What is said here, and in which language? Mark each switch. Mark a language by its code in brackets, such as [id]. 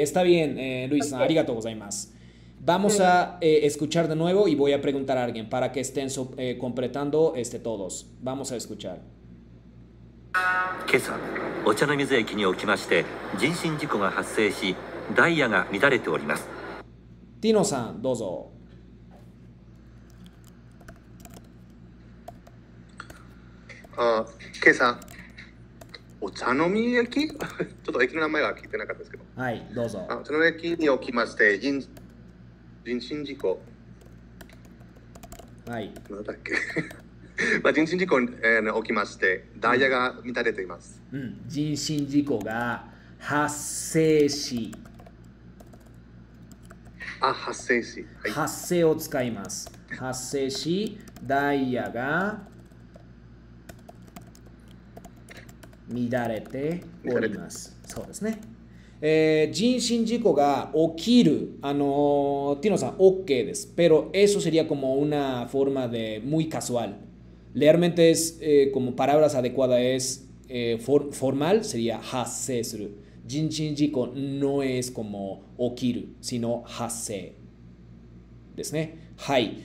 [es] Está bien, Luis さん、 [ja] ありがとうございます。 [es] Vamos a escuchar de nuevo y voy a preguntar a alguien para que estén completando todos. Vamos a escuchar. [ja] 今朝、お茶の水駅におきまして、人身事故が発生し、ダイヤが乱れております。ティノさん、どうぞ。今朝、お茶の水駅 ちょっと駅の名前は聞いてなかったですけど、はい、どうぞ。お茶の駅におきまして、人身事故、はい。なんだっけ まあ、人身事故に、起きまして、ダイヤが乱れています。人身事故が発生し、発生し、はい。発生を使います。発生し、ダイヤが乱れておりれてます。そうですね。人身事故が起きる、ティノさん、OK です。 [es] Pero eso sería como una forma de muy casual. Realmente es como palabras adecuadas, es formal, sería hasseする. Jin shin jiko no es como okiru, sino hasse. ¿Desne? Hai.